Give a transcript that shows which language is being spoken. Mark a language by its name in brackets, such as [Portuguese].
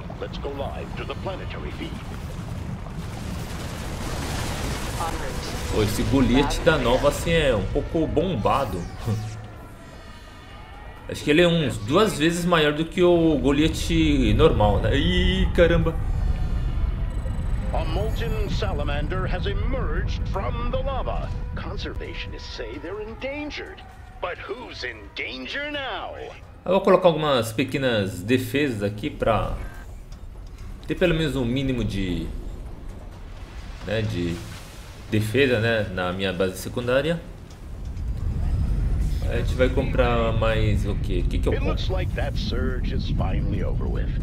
[English] Let's go live to the planetary feed. [Portuguese] Oh, esse bolete da nova assim é um pouco bombado. Acho que ele é uns 2 vezes maior do que o bolete normal, né? Ih, caramba. [English] A molten salamander has emerged from the lava. Conservationists say they're endangered. But who's in danger now? [Portuguese] Eu vou colocar algumas pequenas defesas aqui pra ter pelo menos um mínimo de, né, de defesa, né, na minha base secundária. Aí a gente vai comprar mais o quê? O que que eu compro? Parece que essa surge está finalmente [English] over with.